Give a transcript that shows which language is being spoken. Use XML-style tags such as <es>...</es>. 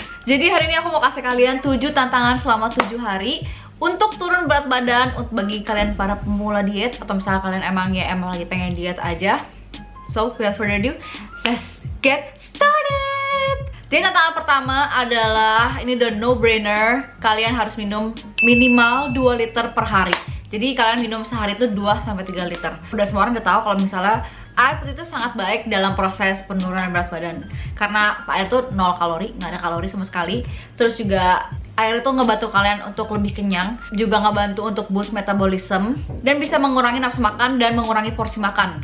<id>Jadi hari ini aku mau kasih kalian 7 tantangan selama 7 hari untuk turun berat badan untuk bagi kalian para pemula diet atau misalnya kalian emang ya emang lagi pengen diet aja.</id> <en>So, without further ado, let's get started.</en> <id>Jadi tantangan pertama adalah ini</id> <en>the no brainer,</en> <id>kalian harus minum minimal 2 liter per hari. Jadi kalian minum sehari itu 2 sampai 3 liter. Udah semua orang udah tahu kalau misalnya air putih itu sangat baik dalam proses penurunan berat badan. Karena air itu nol kalori, nggak ada kalori sama sekali. Terus juga air itu ngebantu kalian untuk lebih kenyang, juga ngebantu untuk boost metabolisme, dan bisa mengurangi nafsu makan dan mengurangi porsi makan.</id>